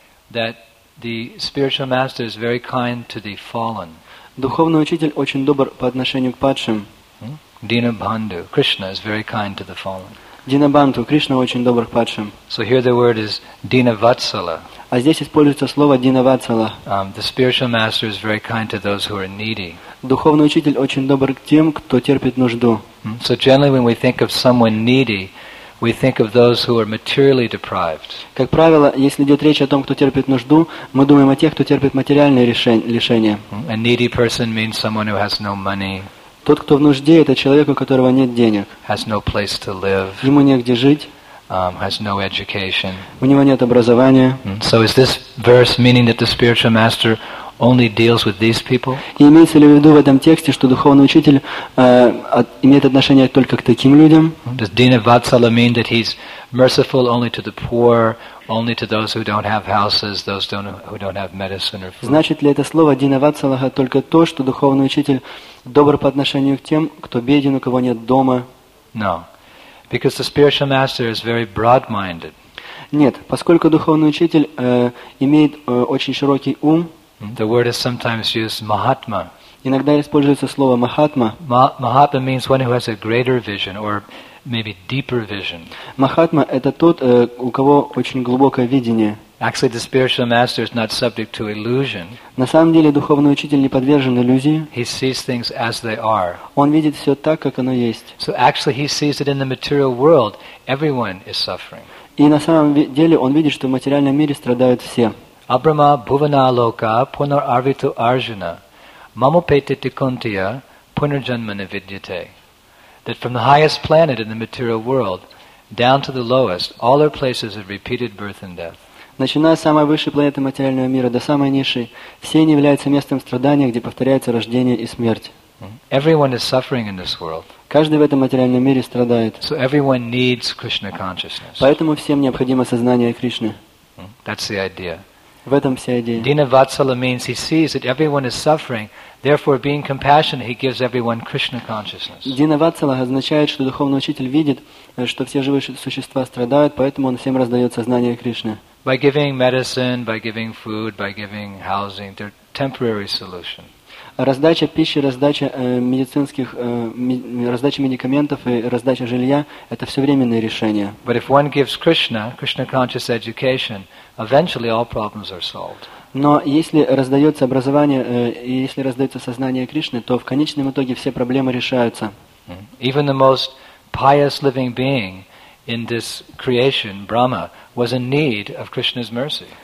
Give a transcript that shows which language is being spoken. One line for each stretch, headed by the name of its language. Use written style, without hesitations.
English: that the spiritual master is very kind to the fallen.
Russian: Духовный учитель очень добр по отношению к падшим.
English: Dinabandhu, Krishna is very kind to the fallen.
Russian: Dinabandhu, Krishna очень добр к падшим.
English: So here the word is Dinavatsala.
Russian: А здесь используется слово Dinavatsala.
English: The spiritual master is very kind to those who are needy.
Russian: Духовный учитель очень добр к тем, кто терпит нужду.
English: So generally when we think of someone needy, we think of those who are materially deprived.
Russian: Как правило, если идет речь о том, кто терпит нужду, мы думаем о тех, кто терпит материальные лишения.
English: A needy person means someone who has no money.
Russian: Тот, кто в нужде, это человек, у которого нет денег.
English: Has no place to live.
Russian: Ему негде жить.
English: Has no education.
Russian: У него нет образования.
English: So is this verse meaning that the spiritual master only deals with these people?
Russian: И имеется ли в виду в этом тексте, что духовный учитель имеет отношение только к таким людям?
English: Does Dinavatsala mean that he's merciful only to the poor, only to those who don't have houses, those who don't have medicine or food?
Russian: Значит ли это слово Dinavatsala только то, что духовный учитель добр по отношению к тем, кто беден, у кого нет дома?
English: No. Because the spiritual master is very broad-minded.
Russian: Нет, поскольку духовный учитель имеет очень широкий ум.
English: The word is sometimes used mahatma.
Russian: Иногда используется слово махатма.
English: Mahatma means one who has a greater vision or maybe deeper vision.
Russian: Махатма это тот, у кого очень глубокое видение.
English: Actually, the spiritual master is not subject to illusion.
Russian: На самом деле духовный учитель не подвержен иллюзии.
English: He sees things as they are.
Russian: Он видит все так, как оно есть.
English: So actually, he sees that in the material world, everyone is suffering.
Russian: И на самом деле он видит, что в материальном мире страдают все.
Sanskrit: Абрама бувана лока пунар арвиту арджуна мамопете тикунтия пунарджанмана видьяте.
English: That from the highest planet in the material world down to the lowest, all are places of repeated birth and death.
Russian: Начиная с самой высшей планеты материального мира до самой низшей, все они являются местом страдания, где повторяется рождение и смерть.
English: Everyone is suffering in this world.
Russian: Каждый в этом материальном мире страдает.
English: So everyone needs Krishna consciousness.
Russian: Поэтому всем необходимо сознание Кришны.
English: That's the idea.
Russian: В этом вся идея.
English: Dinavatsala means he sees that everyone is suffering, therefore being compassionate, he gives everyone Krishna consciousness.
Russian: Dinavatsala означает, что духовный учитель видит, что все живые существа страдают, поэтому он всем раздает сознание Кришны.
English: By giving medicine, by giving food, by giving housing, they're temporary solutions.
Russian: Раздача пищи, раздача медицинских, раздача медикаментов и раздача жилья – это все временные решения.
English: But if one gives Krishna, Krishna conscious education, eventually all problems are solved.
Russian: Но если раздается образование и если раздается сознание Кришны, то в конечном итоге все проблемы решаются.
English: Even the most pious living being in this creation, Brahma, was in need of Krishna's mercy.